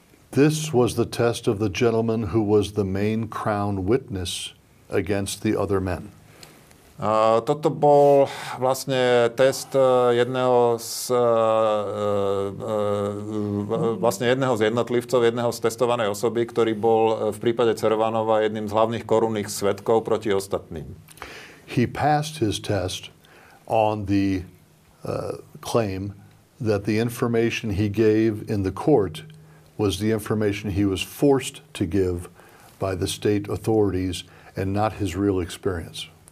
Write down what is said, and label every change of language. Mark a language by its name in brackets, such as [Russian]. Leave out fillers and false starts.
[English] This was the test of the gentleman who was the main crown witness against the other men. [Slovak] Toto bol vlastne test jedného z jednotlivcov, jedného z testovanej osoby, ktorý bol v prípade Cervanova jedným z hlavných korunných svedkov proti ostatným. [English] He passed his test on the claim that the information he gave in the court was the information he was forced to give by the state authorities and not his real experience.